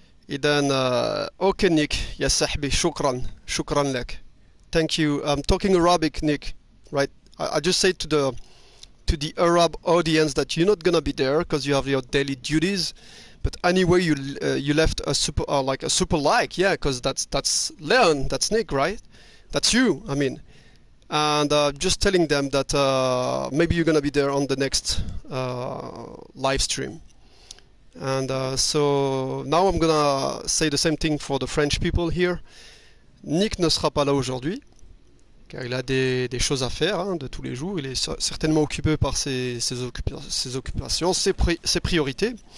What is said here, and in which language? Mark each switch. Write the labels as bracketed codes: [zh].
[ar] إذا أوكي نيك يا صاحبي، شكرا لك. [en] Thank you. I'm talking Arabic, Nick, right? I just say to the Arab audience that you're not gonna be there because you have your daily duties. But anyway, you left a super like a super like, yeah, because that's Leon, that's Nick, right? That's you. I mean, and just telling them that maybe you're gonna be there on the next live stream. And so now I'm gonna say the same thing for the French people here. [fr] Nick ne sera pas là aujourd'hui, car il a des choses à faire, hein, de tous les jours. Il est certainement occupé par ses occupations, ses priorités.